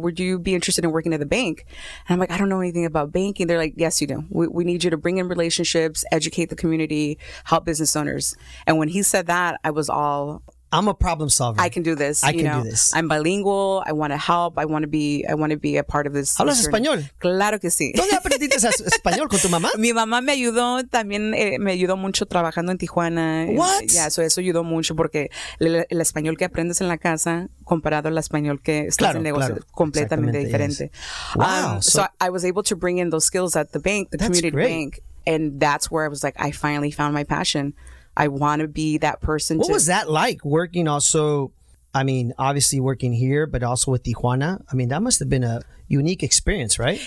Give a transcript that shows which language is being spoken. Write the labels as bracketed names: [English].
[English] Would you be interested in working at the bank? And I'm like, I don't know anything about banking. They're like, yes, you do. We need you to bring in relationships, educate the community, help business owners. And when he said that, I was all... I'm a problem solver. I can do this. I can do this. I'm bilingual. I want to help. I want to be a part of this. [Spanish] ¿Hablas español? Claro que sí. ¿Dónde aprendiste español con tu mamá? Mi mamá me ayudó también. Me ayudó mucho trabajando en Tijuana. [English] What? Yeah, so [Spanish] eso ayudó mucho porque el español que aprendes en la casa comparado al español que estás claro, en negocio claro. Completamente diferente. [English] Yes. Wow. So I was able to bring in those skills at the bank, the community bank. And that's where I was like, I finally found my passion. I want to be that person. What was that like working also, I mean, obviously working here, but also with Tijuana? I mean, that must have been a unique experience, right?